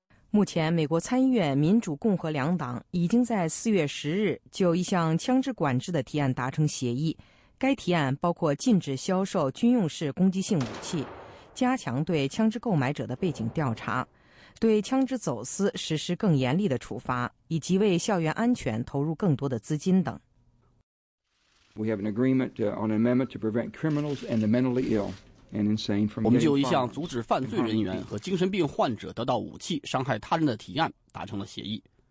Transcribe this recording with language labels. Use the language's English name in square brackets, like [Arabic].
[Chinese] 目前美国参议院民主共和两党已经在4月10日就一项枪支管制的提案达成协议，该提案包括禁止销售军用式攻击性武器，加强对枪支购买者的背景调查，对枪支走私实施更严厉的处罚，以及为校园安全投入更多的资金等。 [English] We have an agreement on an amendment to prevent criminals and the mentally ill and insane from. [Chinese] 我们就一项阻止犯罪人员和精神病患者得到武器伤害他人的提案达成了协议。